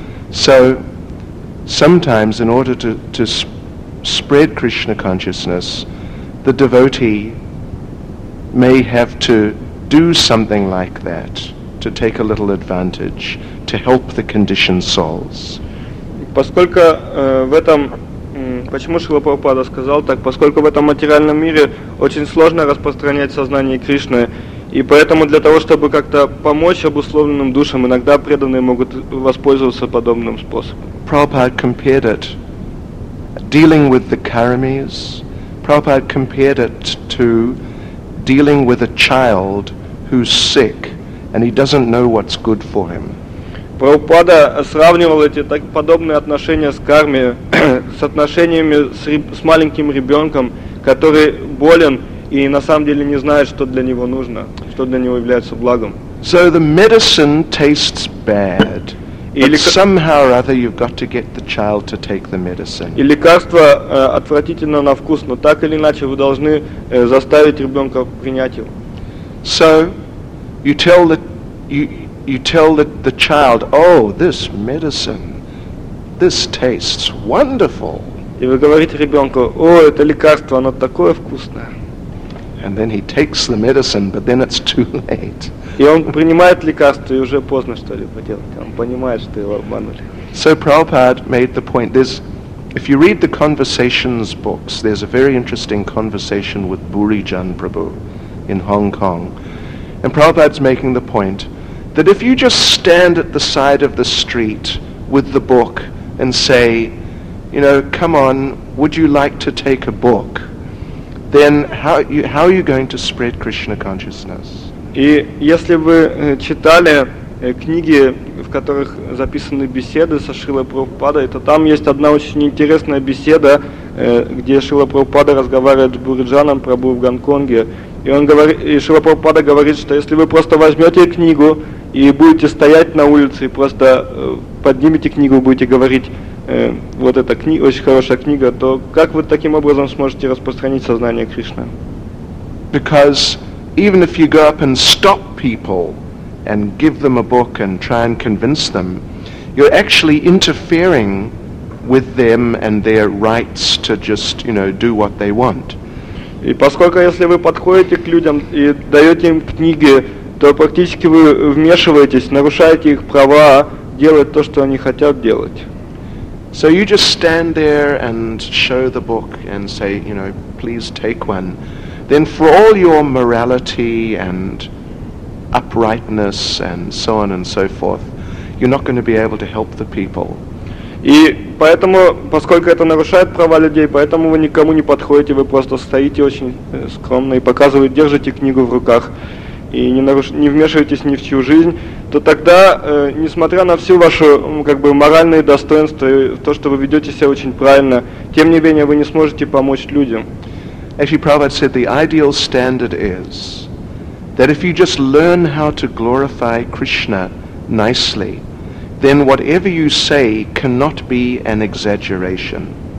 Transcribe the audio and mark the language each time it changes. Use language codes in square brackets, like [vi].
[en] So sometimes in order to spread Krishna consciousness, the devotee may have to do something like that, to take a little advantage, to help the conditioned souls. [ru] Поскольку в этом... Почему Шрила Прабхупада сказал так? Поскольку в этом материальном мире очень сложно распространять сознание Кришны, И поэтому для того, чтобы как-то помочь обусловленным душам, иногда преданные могут воспользоваться подобным способом. [en] Prabhupada compared it dealing with the karmis. Prabhupada compared it to dealing with a child who's sick and he doesn't know what's good for him. [ru] Прабхупада сравнивал эти так подобные отношения с карми с отношениями с маленьким ребенком, который болен и на самом деле не знает, что для него нужно, что для него является благом. [en] So the medicine tastes bad, but somehow or other you've got to get the child to take the medicine. [ru] И лекарство отвратительно на вкус, но так или иначе вы должны заставить ребенка принять его. [en] So you tell that you. You tell the child, "Oh, this medicine, this tastes wonderful." [ru] И вы говорите ребенку, "О, это лекарство, оно такое вкусное." [en] And then he takes the medicine, but then it's too late. [ru] И он принимает лекарство, и уже поздно что-либо делать. Он понимает, что его обманули. [en] So Prabhupada made the point. There's, if you read the conversations books, there's a very interesting conversation with Burijan Prabhu in Hong Kong, and Prabhupada's making the point. That if you just stand at the side of the street with the book and say, you know, come on, would you like to take a book? Then how are you going to spread Krishna consciousness? [ru] И если вы читали книги, в которых записаны беседы со Шрилой Прабхупадой, то там есть одна очень интересная беседа, где Шрила Прабхупада разговаривает с Буриджаном Прабху в Гонконге. И он говорит, и Шрила Прабхупада говорит, что если вы просто возьмете книгу и будете стоять на улице и просто поднимете книгу и будете говорить, вот эта книга, очень хорошая книга, то как вы таким образом сможете распространить сознание Кришны? [en] Because even if you go up and stop people and give them a book and try and convince them, you're actually interfering with them and their rights to just, you know, do what they want. [ru] И поскольку если вы подходите к людям и даете им книги, то практически вы вмешиваетесь, нарушаете их права делать то, что они хотят делать. [en] So you just stand there and show the book and say, you know, please take one. Then for all your morality and uprightness and so on and so forth, you're not going to be able to help the people. [ru] И поэтому, поскольку это нарушает права людей, поэтому вы никому не подходите, вы просто стоите очень скромно и показываете, держите книгу в руках. И не вмешивайтесь ни в чью жизнь, то тогда, несмотря на всю вашу как бы моральные достоинства, то, что вы ведете себя очень правильно, тем не менее вы не сможете помочь людям. [en] Actually, Prabhupada said the ideal standard is that if you just learn how to glorify Krishna nicely, then whatever you say cannot be an exaggeration.